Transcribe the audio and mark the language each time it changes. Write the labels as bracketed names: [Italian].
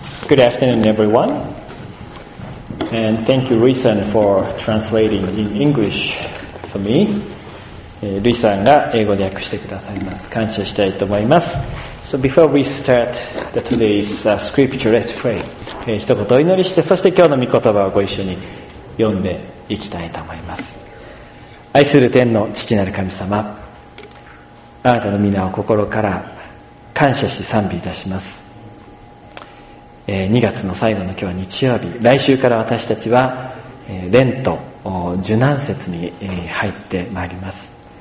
[English] Good afternoon, everyone. And thank you, Rui-san, for translating in English for me. [Japanese] Rui-san が英語で訳してくださいます。感謝したいと思います。 [English] So before we start the today's scripture, let's pray. [Japanese] 一言お祈りして、そして今日の御言葉をご一緒に読んでいきたいと思います。愛する天の父なる神様、あなたの皆を心から感謝し賛美いたします。 2月の最後の今日日曜日、来週から私たちはレント受難節に入ってまいります。